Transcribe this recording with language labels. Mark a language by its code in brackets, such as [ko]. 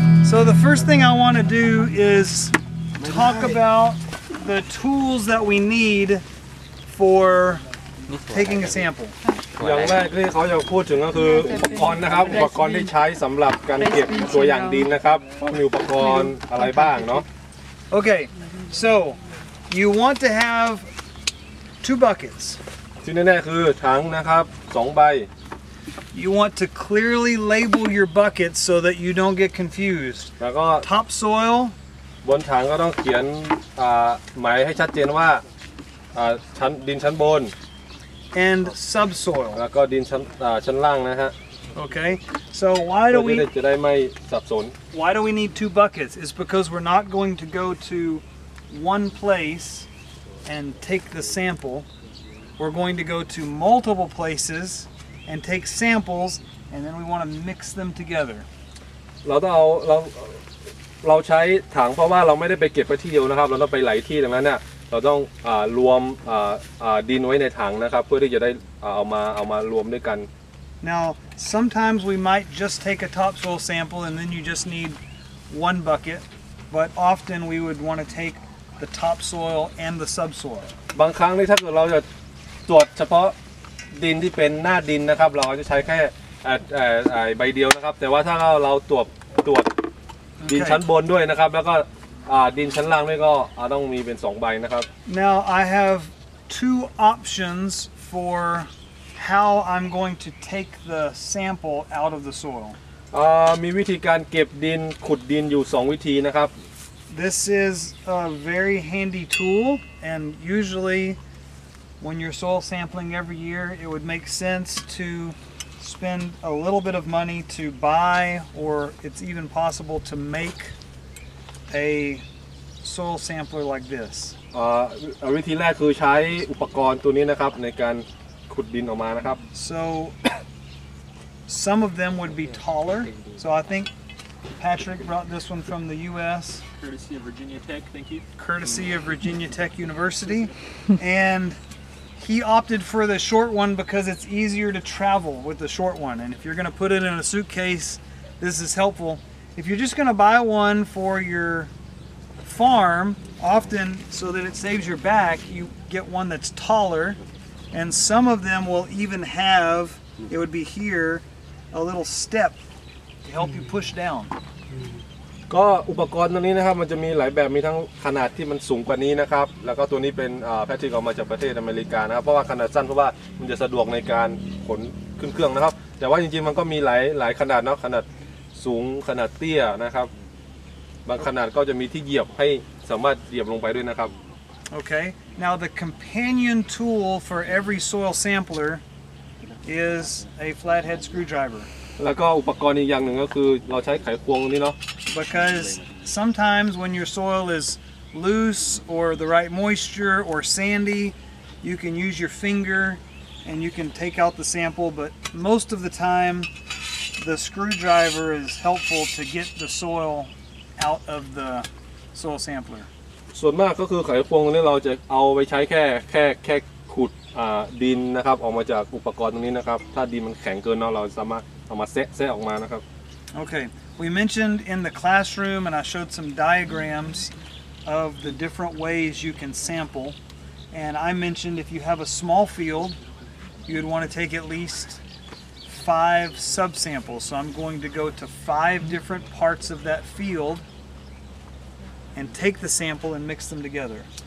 [en] So the first thing I want to do is talk about the tools that we need for taking a sample. [th] อย่างแรกที่เขาจะพูดถึงก็คืออุปกรณ์นะครับอุปกรณ์ที่ใช้สำหรับการเก็บตัวอย่างดินนะครับมีอุปกรณ์อะไรบ้างเนาะ [en] Okay, so you want to have two buckets. [th] ที่แน่ๆคือถังนะครับสองใบ [en] You want to clearly label your buckets so that you don't get confused. [th] แล้วก็ [en] topsoil [th] บนถังก็ต้องเขียนหมายให้ชัดเจนว่าชั้นดินชั้นบน [en] And subsoil. [th] แล้วก็ดินชั้นล่างนะฮะ [en] Okay. So why do we? [th] จะได้ไม่สับสน [en] Why do we need two buckets? It's because we're not going to go to one place and take the sample. We're going to go to multiple places and take samples, and then we want to mix them together. [th] เราต้องเราใช้ถังเพราะว่าเราไม่ได้ไปเก็บไปที่เดียวนะครับเราต้องไปหลายที่ดังนั้นเนี่ยเราต้องรวมดินไว้ในถังนะครับเพื่อที่จะได้เอามารวมด้วยกัน [en] Now sometimes we might just take a topsoil sample and then you just need one bucket but often we would want to take the topsoil and the subsoil [th] บางครั้งนี่ถ้าเกิดเราจะตรวจเฉพาะดินที่เป็นหน้าดินนะครับเราจะใช้แค่ใบเดียวนะครับแต่ว่าถ้าเราตรวจ okay. ดินชั้นบนด้วยนะครับแล้วก็ดินชั้นล่างนี่ก็ต้องมีเป็น2ใบนะครับ [en] Now I have two options for how I'm going to take the sample out of the soil [th] มีวิธีการเก็บดินขุดดินอยู่2วิธีนะครับ [en] This is a very handy tool and usually when you're soil sampling every year it would make sense to spend a little bit of money to buy or it's even possible to makeA soil sampler like this. [th] วิธีแรกคือใช้อุปกรณ์ตัวนี้นะครับในการขุดดินออกมานะครับ [en] So some of them would be taller. So I think Patrick brought this one from the U.S. Courtesy of Virginia Tech. Thank you. Courtesy of Virginia Tech University, and he opted for the short one because it's easier to travel with the short one. And if you're going to put it in a suitcase, this is helpful. If you're just going to buy one for your farm, often so that it saves your back, you get one that's taller, and some of them will even have, it would be here, a little step to help you push down. [th] ก็อุปกรณ์ตัวนี้นะครับมันจะมีหลายแบบมีทั้งขนาดที่มันสูงกว่านี้นะครับแล้วก็ตัวนี้เป็นแพทริกออกมาจากประเทศอเมริกานะครับเพราะว่าขนาดสั้นเพราะว่ามันจะสะดวกในการขนขึ้นเครื่องนะครับแต่ว่าจริงๆมันก็มีหลายขนาดเนาะขนาดสูงขนาดเตี้ยนะครับบางขนาดก็จะมีที่เหยียบให้สามารถเหยียบลงไปด้วยนะครับ [en] โอเค now the companion tool for every soil sampler is a flathead screwdriver [th] แล้วก็อุปกรณ์อีกอย่างหนึ่งก็คือเราใช้ไขควงนี่เนาะ [en] because sometimes when your soil is loose or the right moisture or sandy you can use your finger and you can take out the sample but most of the timeThe screwdriver is helpful to get the soil out of the soil sampler. [th] ส่วนมากก็คือไขควงนี้เราจะเอาไปใช้แค่ขุดดินนะครับออกมาจากอุปกรณ์ตรงนี้นะครับถ้าดินมันแข็งเกินเนาะเราสามารถเอามาแซะออกมานะครับ [en] Okay, we mentioned in the classroom and I showed some diagrams of the different ways you can sample, and I mentioned if you have a small field, you'd want to take at least. Five subsamples. So I'm going to go to five different parts of that field and take the sample and mix them together.